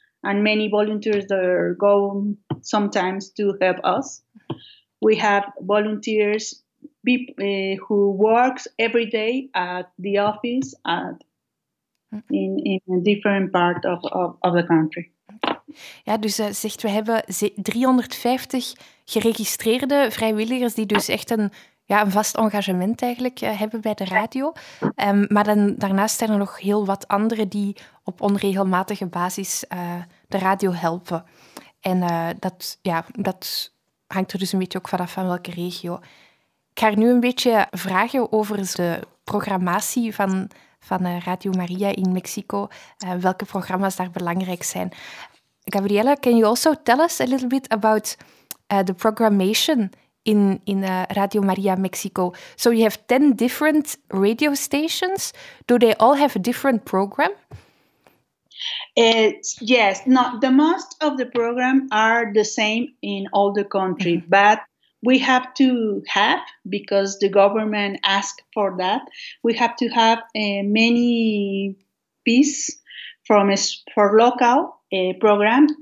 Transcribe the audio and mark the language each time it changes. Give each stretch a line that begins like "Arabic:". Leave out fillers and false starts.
English: And many volunteers that go sometimes to help us. We have volunteers who works every day at the office at in a different part of the country.
Dutch: Ja, dus zegt we hebben 350 geregistreerde vrijwilligers die dus echt een vast engagement eigenlijk hebben bij de radio. Maar dan daarnaast zijn er nog heel wat anderen die op onregelmatige basis de radio helpen. En dat hangt er dus een beetje ook vanaf van welke regio. Ik ga nu een beetje vragen over de programmatie van Radio Maria in Mexico. Welke programma's daar belangrijk zijn.
English: Gabriella, can you also tell us a little bit about the programmation in Radio Maria Mexico? So you have 10 different radio stations. Do they all have a different program? Yes, not the most of the program are the same in all the country, but we have to have, because the government asked for that, we have to have many piece for local program.